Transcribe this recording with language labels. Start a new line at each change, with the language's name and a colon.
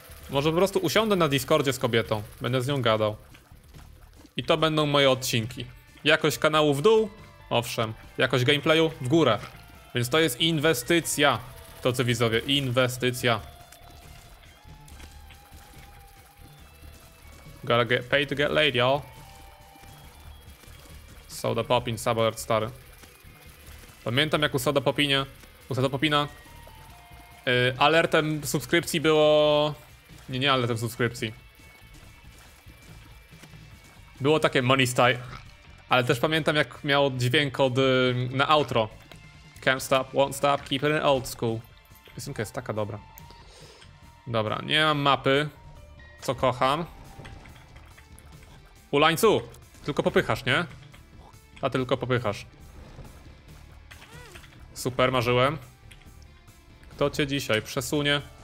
Polish: Może po prostu usiądę na Discordzie z kobietą. Będę z nią gadał. I to będą moje odcinki. Jakość kanału w dół? Owszem. Jakość gameplayu? W górę. Więc to jest inwestycja. To co widzowie, inwestycja.
English: Gotta get paid to get laid, y'all.
Polish: Soda Popin, Sabalert stary. Pamiętam jak u Soda Popina alertem subskrypcji było... Nie alertem subskrypcji. Było takie money style. Ale też pamiętam jak miał dźwięk od... na outro.
English: Can't stop, won't stop, keep it in old school.
Polish: Piosenka jest taka dobra. Dobra, nie mam mapy. Co kocham. Ulańcu! Tylko popychasz, nie? A ty tylko popychasz. Super, marzyłem. Kto cię dzisiaj przesunie?